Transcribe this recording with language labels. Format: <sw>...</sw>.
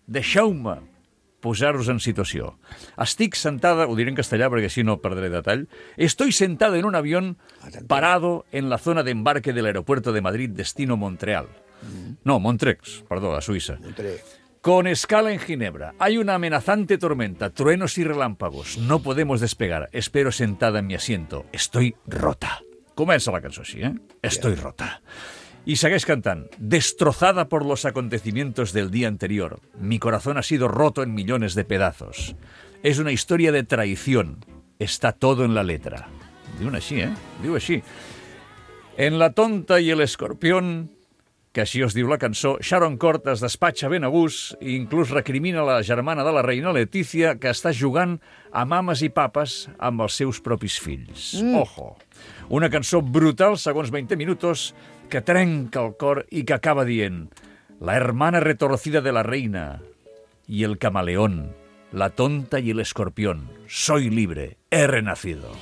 <ca>Deixeu-me posar-vos en situació. Estic sentada, ho diré en castellà perquè així no perdré detall,</ca> <es>estoy sentada en un avión parado en la zona de embarque del aeropuerto de Madrid destino Montreal.</es> <ca>No, Montrex, perdó, a Suïssa.</ca> <es>Con escala en Ginebra. Hay una amenazante tormenta, truenos y relámpagos. No podemos despegar. Espero sentada en mi asiento. Estoy rota.</es> <ca>Comença la cançó així, eh?</ca> <es>Estoy rota.</es> <ca>Y segueix cantant.</ca> <es>Destrozada por los acontecimientos del día anterior. Mi corazón ha sido roto en millones de pedazos. Es una historia de traición. Está todo en la letra.</es> <ca>Diu-ne així, eh? Diu així. En la tonta y el escorpión, que així es diu la cançó, Sharon Corr es despatxa ben a gust i inclús recrimina la germana de la reina, Letizia, que està jugant a mames i papes amb els seus propis fills. Mm. Ojo. Una cançó brutal, segons 20 minuts, que trenca el cor i que acaba dient</ca> <es>la hermana retorcida de la reina y el camaleón, la tonta y el escorpión, soy libre, he renacido.</es>